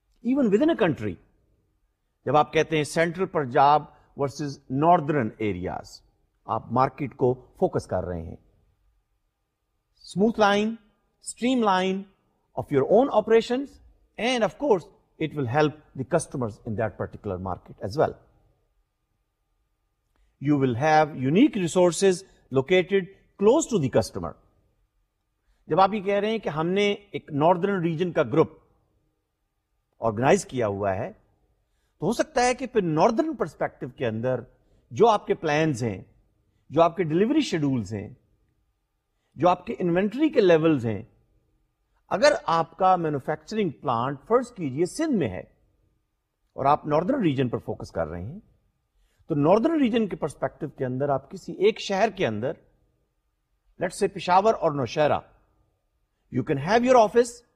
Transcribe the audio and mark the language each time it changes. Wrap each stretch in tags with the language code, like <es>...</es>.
<en>even with in a country</en> <ur>جب آپ کہتے ہیں central Punjab versus northern areas, آپ مارکیٹ کو فوکس کر رہے ہیں.</ur> <en>Smooth line, streamline of your own operations, and of course it will help the customers in that particular market as well. You will have unique resources located close to the customer.</en> <ur>جب آپ یہ کہہ رہے ہیں کہ ہم نے ایک ناردرن ریجن کا گروپ آرگنائز کیا ہوا ہے, تو ہو سکتا ہے کہ پھر ناردرن پرسپیکٹو کے اندر جو آپ کے پلانز ہیں, جو آپ کے ڈلیوری شیڈولز ہیں, جو آپ کے انوینٹری کے لیولز ہیں, اگر آپ کا مینوفیکچرنگ پلانٹ فرض کیجئے سندھ میں ہے اور آپ ناردرن ریجن پر فوکس کر رہے ہیں, تو ناردرن ریجن کے پرسپیکٹو کے اندر آپ کسی ایک شہر کے اندر, لیٹس سے پشاور اور Nowshera,</ur> <en>you can have your office,</en>